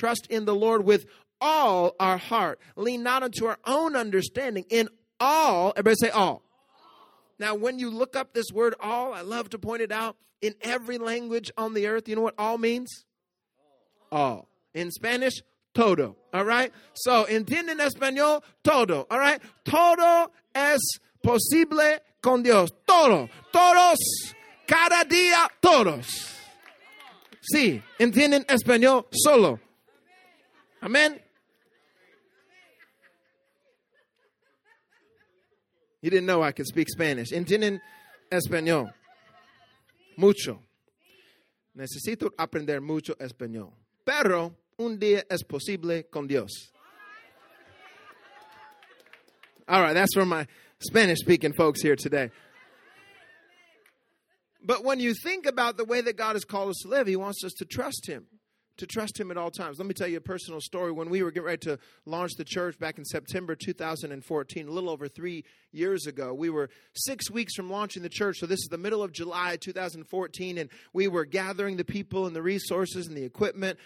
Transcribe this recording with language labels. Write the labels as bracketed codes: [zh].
[en] Trust in the Lord with all our heart. Lean not unto our own understanding. In all, everybody say all. Now, when you look up this word all, I love to point it out, in every language on the earth, you know what all means? All. In Spanish, [es] todo. [en] All right? [es] So, entiende en español, todo. [en] All right? [es] Todo es posible con Dios. Todo. Todos. Cada día, todos. Sí. Entienden español solo. [en] Amen. You didn't know I could speak Spanish. [es] Entienden español. Mucho. Necesito aprender mucho español. Pero un día es posible con Dios. [en] All right, that's for my Spanish-speaking folks here today. But when you think about the way that God has called us to live, He wants us to trust Him, to trust Him at all times. Let me tell you a personal story. When we were getting ready to launch the church back in September 2014, a little over 3 years ago, we were 6 weeks from launching the church. So this is the middle of July 2014, and we were gathering the people and the resources and the equipment.